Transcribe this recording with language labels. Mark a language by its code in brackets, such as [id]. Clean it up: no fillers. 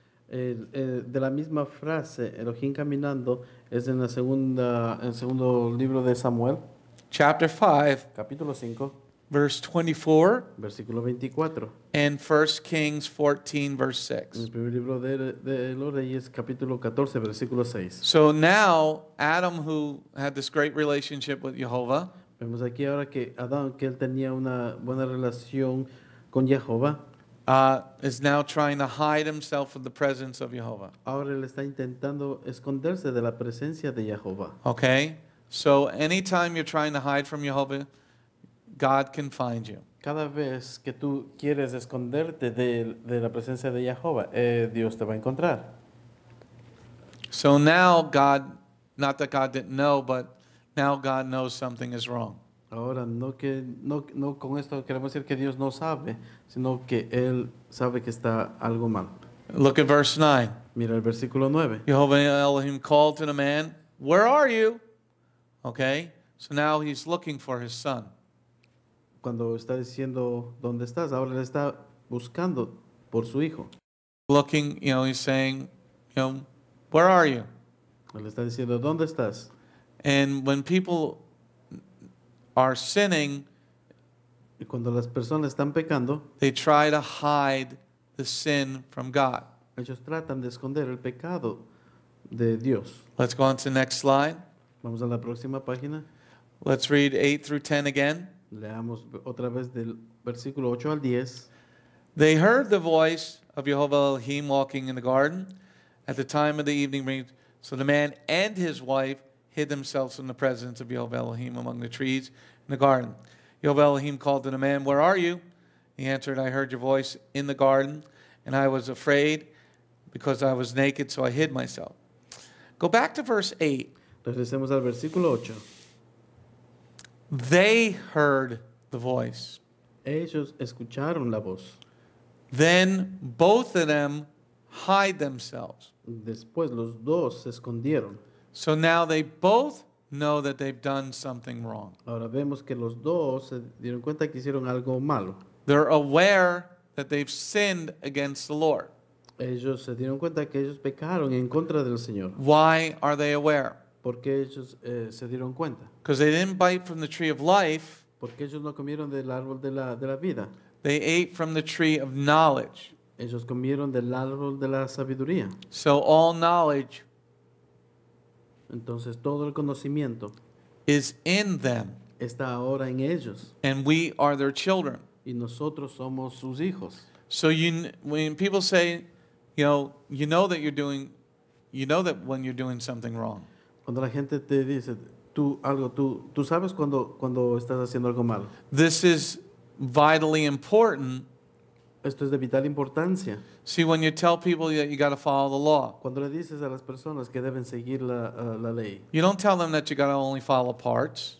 [es] De la misma frase, Elohim caminando, es en el segundo libro de Samuel. [en] Chapter 5, [es] capítulo 5, [en] verse 24, [es] versículo 24, [en] and 1 Kings 14, verse 6. [es] El primer libro de los Reyes, capítulo 14, versículo 6. [en] So now, Adam, who had this great relationship with Jehovah, [es] vemos aquí ahora que Adán, que él tenía una buena relación con Jehovah, [en] is now trying to hide himself from the presence of Jehovah. [es] Ahora él está intentando esconderse de la presencia de Jehovah. [en] Okay. So anytime you're trying to hide from Jehovah, God can find you. [es] Cada vez que tú quieres esconderte de la presencia de Jehovah, Dios te va a encontrar. [en] So now God, not that God didn't know, but now God knows something is wrong. [es] Ahora no que no no con esto queremos decir que Dios no sabe, sino que él sabe que está algo mal. [en] Look at verse 9. [es] Mira el versículo 9. [en] Jehovah Elohim called to the man, "Where are you?" Okay? So now he's looking for his son. [es] Cuando está diciendo dónde estás, ahora le está buscando por su hijo. [en] Looking, you know, he's saying, you know, "Where are you?" [es] Le está diciendo dónde estás. [en] And when people are sinning, [es] cuando las personas están pecando, [en] they try to hide the sin from God. [es] Ellos tratan de esconder el pecado de Dios. [en] Let's go on to the next slide. [es] Vamos a la próxima página. [en] Let's read 8 through 10 again. [es] Leamos otra vez del versículo 8 al 10. [en] They heard the voice of Jehovah Elohim walking in the garden at the time of the evening rain. So the man and his wife hid themselves in the presence of Jehovah Elohim among the trees in the garden. Jehovah Elohim called to the man, "Where are you?" He answered, "I heard your voice in the garden, and I was afraid because I was naked, so I hid myself." Go back to verse 8. [es] Regresemos al versículo 8. [en] They heard the voice. [es] Ellos escucharon la voz. [en] Then both of them hide themselves. [es] Después los dos se escondieron. [en] So now they both know that they've done something wrong. [es] Ahora vemos que los dos se dieron cuenta que hicieron algo malo. [en] They're aware that they've sinned against the Lord. [es] Ellos se dieron cuenta que ellos pecaron en contra del Señor. [en] Why are they aware? [es] Porque ellos se dieron cuenta. [en] Because they didn't bite from the tree of life. [es] Porque ellos no comieron del árbol de la vida. [en] They ate from the tree of knowledge. [es] Ellos comieron del árbol de la sabiduría. [en] So all knowledge. [es] Entonces todo el conocimiento [en] is in them. [es] Está ahora en ellos. [en] And we are their children. [es] Y nosotros somos sus hijos. [en] So you, when people say, you know that you're doing, you know that when you're doing something wrong. [es] Cuando la gente te dice tú algo, tú sabes cuando estás haciendo algo malo. [en] This is vitally important. [es] Esto es de vital importancia. [en] See, when you tell people that you got to follow the law. [es] Cuando le dices a las personas que deben seguir la ley. [en] You don't tell them that you got to only follow parts.